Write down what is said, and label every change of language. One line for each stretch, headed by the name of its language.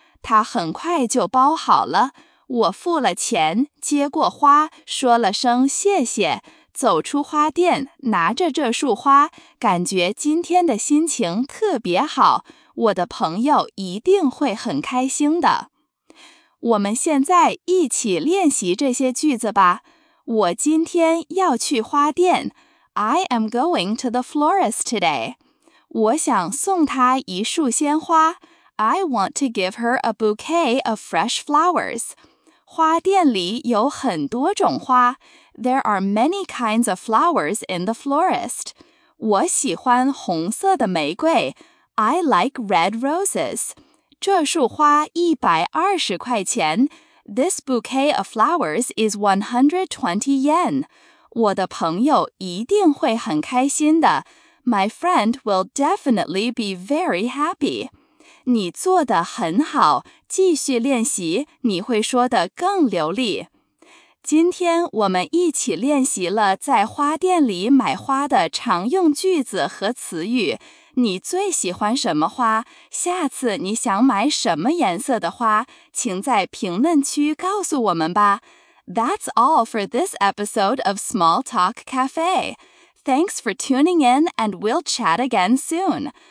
Chinese: 他很快就包好了。我付了钱，接过花，说了声谢谢，走出花店，拿着这束花，感觉今天的心情特别好。我的朋友一定会很开心的。我们现在一起练习这些句子吧。我今天要去花店。
English: I am going to the florist today.
Chinese: 我想送她一束鲜花。
English: I want to give her a bouquet of fresh flowers.
Chinese: 花店里有很多种花。
English: There are many kinds of flowers in the florist.
Chinese: 我喜欢红色的玫瑰。
English: I like red roses.
Chinese: 这束花120块钱。
English: This bouquet of flowers is 120 yen.
Chinese: 我的朋友一定会很开心的。
English: My friend will definitely be very happy.
Chinese: 你做得很好，继续练习，你会说得更流利。今天我们一起练习了在花店里买花的常用句子和词语。你最喜欢什么花？下次你想买什么颜色的花？请在评论区告诉我们吧。
English: That's all for this episode of Small Talk Cafe. Thanks for tuning in and we'll chat again soon.